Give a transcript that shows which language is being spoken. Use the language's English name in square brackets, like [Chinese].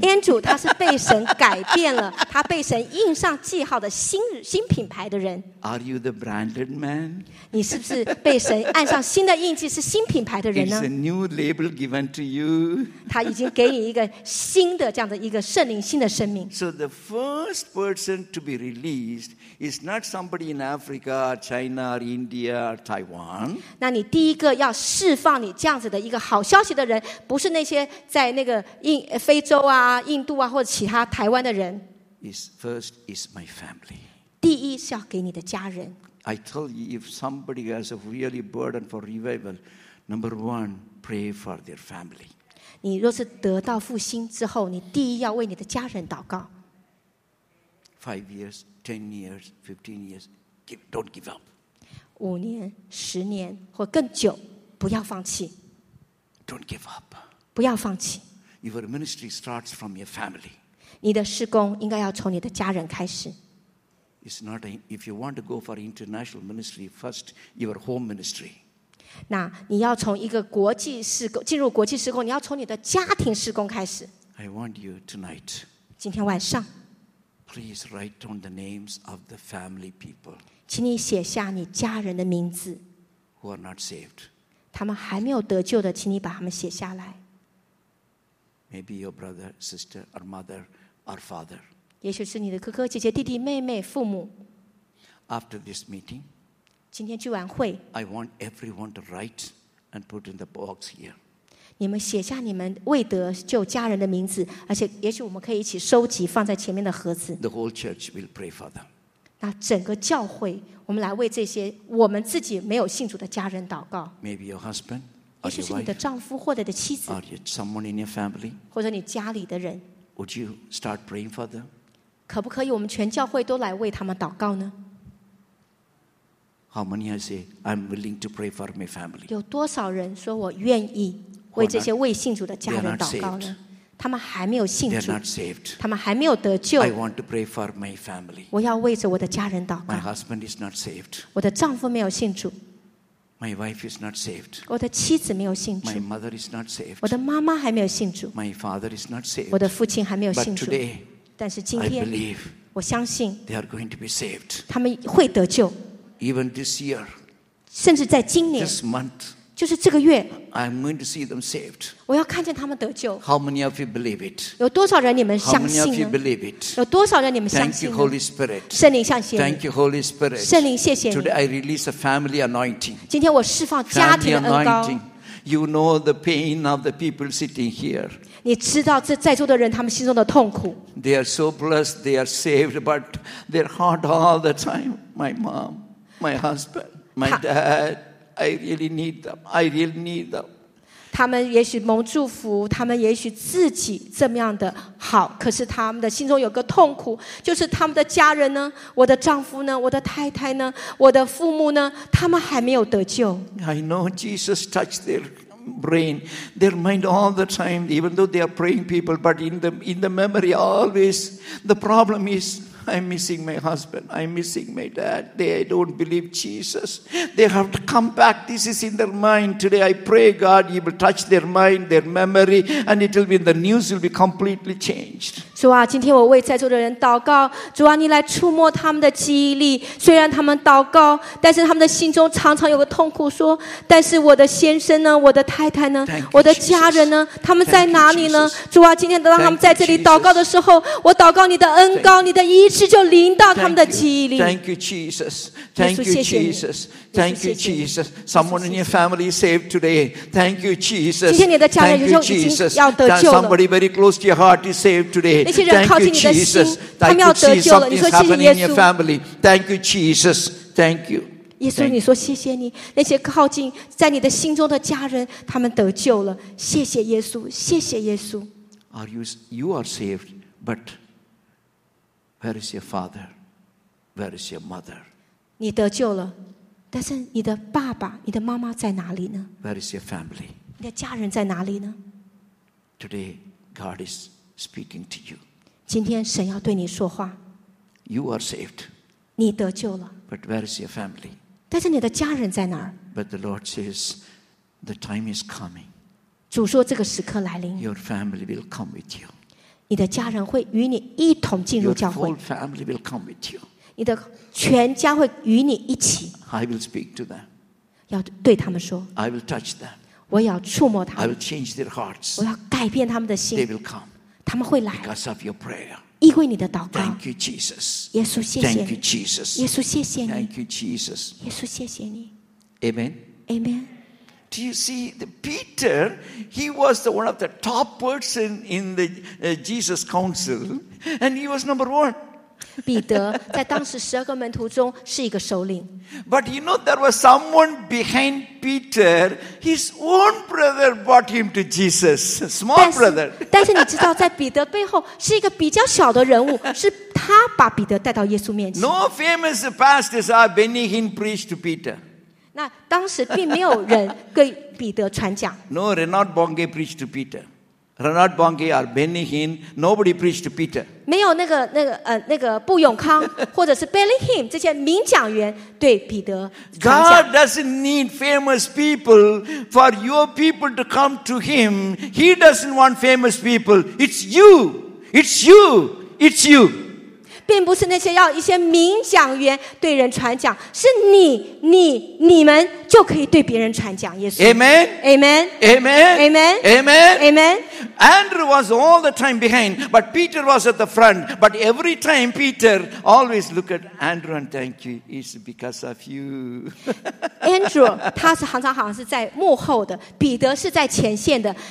[Chinese] Andrew, 他是被神改变了, 他被神印上记号的新品牌的人。 [English] Are you the branded man? [Chinese] 你是不是被神按上新的印记是新品牌的人呢? [English] It's a new label given to you. [Chinese] 他已经给你一个新的这样的一个圣灵新的生命。 [English] So the first person to be released is not somebody in Africa, China, or India, or Taiwan. [Chinese] 那你第一个要释放你这样子的一个好消息的人, 不是那些在那个非洲啊、印度啊或者其他台湾的人。 [English] First is my family. [Chinese] 第一是要给你的家人。 [English] I tell you, if somebody has a really burden for revival, number one, pray for their family. [Chinese] 你若是得到复兴之后, 你第一要为你的家人祷告。 [English] 5 years, 10 years, 15 years, don't give up. [Chinese] 五年、十年或更久，不要放弃。 [English] Don't give up. [Chinese] 不要放弃。 [English] Your ministry starts from your family. [Chinese] 你的事工应该要从你的家人开始。 [English] It's not a, if you want to go for international ministry, first your home ministry. [Chinese] 那你要从一个国际事工进入国际事工，你要从你的家庭事工开始。 [English] I want you tonight. [Chinese] 今天晚上。 [English] Please write down the names of the family people. [Chinese] 请你写下你家人的名字。 [English] Who are not saved. [Chinese] 他们还没有得救的，请你把他们写下来。 [English] Maybe your brother, sister, or mother, or father. [Chinese] 也许是你的哥哥、姐姐、弟弟、妹妹、父母。 [English] After this meeting, [Chinese] 今天聚完会 [English] I want everyone to write and put in the box here. [Chinese] 你们写下你们未得救家人的名字，而且也许我们可以一起收集放在前面的盒子。 [English] The whole church will pray for them. [Chinese] 那整个教会，我们来为这些我们自己没有信主的家人祷告。 [English] Maybe your husband. [Chinese] 也许是你的丈夫或者你的妻子 [English] Are you someone in your family? [Chinese] 或者你家里的人 [English] Would you start praying for them? [Chinese] 可不可以我们全教会都来为他们祷告呢 [English] How many I say I'm willing to pray for my family? [Chinese] 有多少人说我愿意为这些未信主的家人祷告呢他们还没有信主 [English] They are not saved. [Chinese] 他们还没有得救 [English] I want to pray for my family. [Chinese] 我要为着我的家人祷告 [English] My husband is not saved. [Chinese] 我的丈夫没有信主 [English] My wife is not saved. [Chinese] 我的妻子没有信主。 [English] My mother is not saved. [Chinese] 我的妈妈还没有信主。 [English] My father is not saved. [Chinese] 我的父亲还没有信主。 [English] But today, [Chinese] 但是今天 [English] I believe [Chinese] 我相信 [English] they are going to be saved. [Chinese] 他们会得救。 [English] Even this year, [Chinese] 甚至在今年 [English] this month, [Chinese] 就是这个月 [English] I'm going to see them saved. [Chinese] 我要看见他们得救。 [English] How many of you believe it? [Chinese] 有多少人你们相信呢 [English] How many of you believe it? [Chinese] 有多少人你们相信呢 [English] Thank you, Holy Spirit. [Chinese] 圣灵相信。 [English] Thank you, Holy Spirit. [Chinese] 圣灵谢谢你。 [English] Today I release a family anointing. [Chinese] 今天我释放家庭的恩膏。 [English] Family anointing. You know the pain of the people sitting here. [Chinese] 你知道这在座的人他们心中的痛苦。 [English] They are so blessed. They are saved, but their heart all the time. My mom, my husband, my dad. I really need them. I really need them. [Chinese] 他们也许蒙祝福，他们也许自己这么样的好，可是他们的心中有个痛苦，就是他们的家人呢，我的丈夫呢，我的太太呢，我的父母呢，他们还没有得救。 [English] I know Jesus touched their brain, their mind all the time, even though they are praying people, but in the memory always, the problem is. I'm missing my husband. I'm missing my dad. They don't believe Jesus. They have to come back. This is in their mind today. I pray God, you will touch their mind, their memory, and it will be the news will be completely changed. [Chinese] 主啊，今天我为在座的人祷告。主啊，你来触摸他们的记忆力。虽然他们祷告，但是他们的心中常常有个痛苦，说：但是我的先生呢？我的太太呢？我的家人呢？他们在哪里呢？主啊，今天当他们在这里祷告的时候，我祷告你的恩膏，你的医。一次就临到他们的记忆里。 [English] Thank you, Jesus. Thank you, Jesus. Thank you, Jesus. Someone in your family saved today. Thank you, Jesus. [Chinese] 今天你的家人已经要得救了。 [English] Somebody very close to your heart is saved today. [Chinese] 那些人靠近你的心，他们要得救了。你说谢谢耶稣。 [English] Thank you, Jesus. Thank you. [Chinese] 耶稣，你说谢谢你。那些靠近在你的心中的家人，他们得救了。谢谢耶稣，谢谢耶稣。 [English] Are you are saved, but? Where is your father? Where is your mother? [Chinese] 你得救了，但是你的爸爸、你的妈妈在哪里呢？ [English] Where is your family? [Chinese] 你的家人在哪里呢？ [English] Today, God is speaking to you. [Chinese] 今天神要对你说话。 [English] You are saved. [Chinese] 你得救了。 [English] But where is your family? [Chinese] 但是你的家人在哪儿？ [English] But the Lord says, the time is coming. [Chinese] 主说这个时刻来临。 [English] Your family will come with you. [Chinese] 你的家人会与你一同进入教会。 [English] Your whole family will come with you. [Chinese] 你的全家会与你一起。 [English] I will speak to them. [Chinese] 要对他们说。 [English] I will touch them. [Chinese] 我要触摸他们。 [English] I will change their hearts. [Chinese] 我要改变他们的心。 [English] They will come. [Chinese] 他们会来。 [English] Because of your prayer. [Chinese] 因为你的祷告。 [English] Thank you, Jesus. [Chinese] 耶稣，谢谢你。 [English] Thank you, Jesus. [Chinese] 耶稣，谢谢你。 [English] Thank you, Jesus. [Chinese] 耶稣，谢谢你。 [English] Amen. Amen. Do you see the Peter? He was the one of the top person in the Jesus Council, and he was number one. [Chinese] 彼得在当时十二个门徒中是一个首领。 [English] But you know there was someone behind Peter, his own brother brought him to Jesus, small brother. [Chinese] 但是你知道，在彼得背后是一个比较小的人物，是他把彼得带到耶稣面前。 [English] No famous pastors are bending him preached to Peter. [Chinese] 那当时并没有人给彼得传讲。 [English] No, Renard Bongay preached to Peter. Renard Bongay or Benny Hinn, nobody preached to Peter. [Chinese] 没有布永康或者是 Benny Hinn 这些名讲员对彼得传讲。 [English] God doesn't need famous people for your people to come to him. He doesn't want famous people. It's you. It's you. It's you. [Chinese] 并不是那些要一些名讲员对人传讲，是你、你、你们就可以对别人传讲耶稣。 [English] Amen. Amen. Amen. Amen. Amen. Amen. Andrew was all the time behind, but Peter was at the front. But every time Peter always look at Andrew and thank you. It's because of you. [Chinese] Andrew, 他是常常好像是在幕后的，彼得是在前线的。